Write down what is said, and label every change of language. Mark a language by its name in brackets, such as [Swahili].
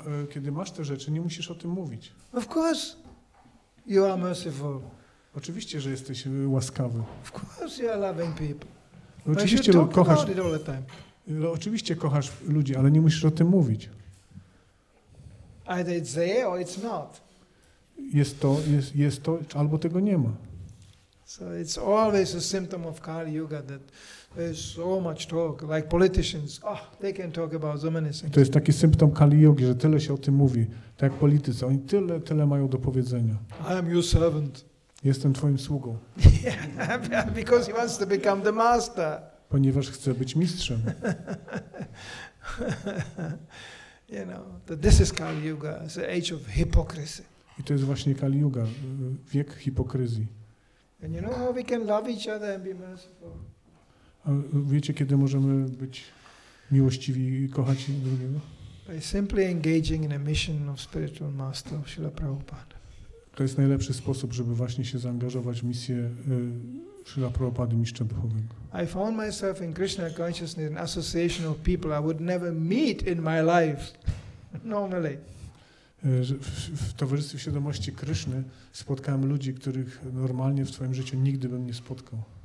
[Polish] Kiedy masz te rzeczy, nie musisz o tym mówić. [English] Of course, you are merciful. [Polish] Oczywiście, że jesteś łaskawy. [English] Of course, you are loving people. [Polish] Oczywiście, [English] but [Polish] kochasz. [English] About it all the time. [Polish] No, oczywiście kochasz ludzi, ale nie musisz o tym mówić. [English] Either it's there or it's not. [Polish] Jest to, albo tego nie ma. [English] So it's always a symptom of Kali Yuga that there's so much talk, like politicians. Oh, they can talk about so many things. [Polish] To jest taki symptom Kali Yugi, że tyle się o tym mówi. Tak jak politycy, oni tyle mają do powiedzenia. [English] I am your servant. [Polish] Jestem twoim sługą. [English] Yeah, because he wants to become the master. [Polish] Ponieważ chce być mistrzem. [English] You know, that this is Kali Yuga, it's the age of hypocrisy. [Polish] I to jest właśnie Kali Yuga, wiek hipokryzji. [English] And you know how we can love each other and be merciful. [Polish] A wiecie, kiedy możemy być miłościwi i kochać drugiego? [English] By simply engaging in a mission of spiritual master Śrīla Prabhupāda. [Polish] To jest najlepszy sposób, żeby właśnie się zaangażować w misję Śrīla Prabhupāda, mistrza duchowego. [English] I found myself in Krishna consciousness in association of people I would never meet in my life normally. [Polish] W towarzystwie świadomości Kryszny spotkałem ludzi, których normalnie w swoim życiu nigdy bym nie spotkał.